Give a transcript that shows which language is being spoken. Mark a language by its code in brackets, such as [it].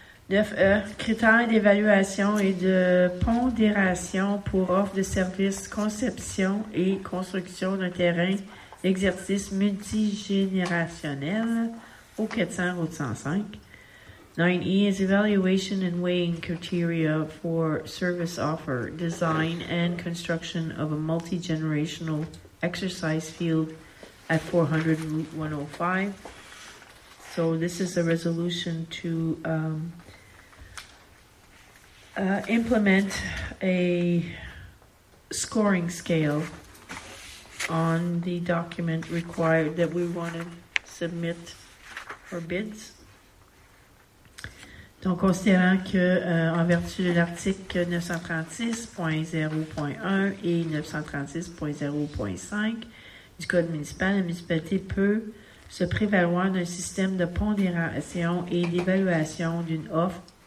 [fr] 9E, critères d'évaluation et de pondération pour offre de services, conception et construction d'un terrain d'exercice multigénérationnel au 400 route 105. [en] 9E is evaluation and weighing criteria for service offer, design and construction of a multi-generational exercise field at 400 Route 105. So this is a resolution to implement a scoring scale on the document required that we want to submit for bids. [fr] Donc, considérant que en vertu de l'article 936.0.1 et 936.0.5, du code municipal, la municipalité peut se prévaloir d'un système de pondération et d'évaluation d'une offre